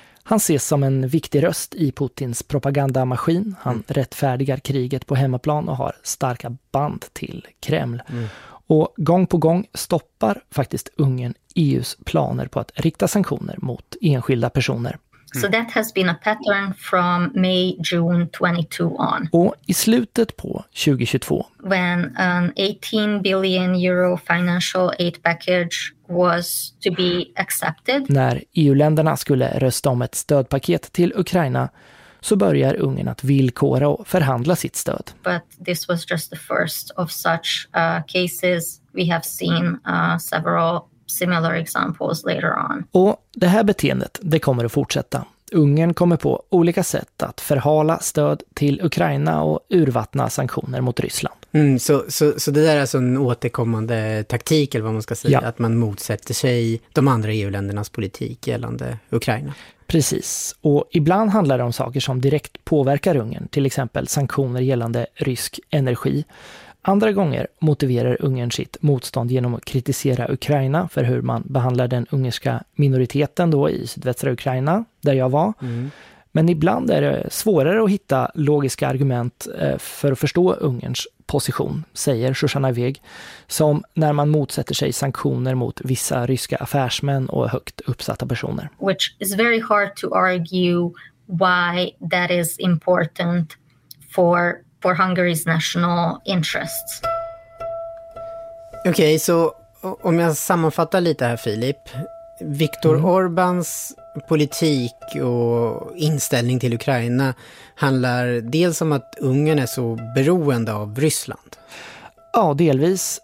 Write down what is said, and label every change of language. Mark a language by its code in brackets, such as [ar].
[sv] Han ses som en viktig röst i Putins propagandamaskin. Han rättfärdigar kriget på hemmaplan och har starka band till Kreml. Mm. Och gång på gång stoppar faktiskt Ungern EUs planer på att rikta sanktioner mot enskilda personer. [en] So that has been a pattern from May, June 22 on. [sv] Och i slutet på 2022. [en] When an 18 billion euro financial aid package was to be accepted. [sv] När EU-länderna skulle rösta om ett stödpaket till Ukraina, så börjar Ungern att villkora och förhandla sitt stöd. [en] But this was just the first of such cases. We have seen several similar examples later on. [sv] Och det här beteendet, det kommer att fortsätta. Ungern kommer på olika sätt att förhala stöd till Ukraina och urvattna sanktioner mot Ryssland. Mm, så det där är alltså en återkommande taktik, eller vad man ska säga, ja. Att man motsätter sig de andra EU-ländernas politik gällande Ukraina. Precis, och ibland handlar det om saker som direkt påverkar Ungern, till exempel sanktioner gällande rysk energi. Andra gånger motiverar Ungern sitt motstånd genom att kritisera Ukraina för hur man behandlar den ungerska minoriteten då i sydvästra Ukraina, där jag var. Mm. Men ibland är det svårare att hitta logiska argument för att förstå Ungerns position, säger Shoshana Veg, som när man motsätter sig sanktioner mot vissa ryska affärsmän och högt uppsatta personer. [en] Which is very hard to argue why that is important for Hungary's national interests. [sv] Okej, så om jag sammanfattar lite här, Filip. Viktor Orbáns politik och inställning till Ukraina handlar dels om att Ungern är så beroende av Ryssland. Ja, delvis.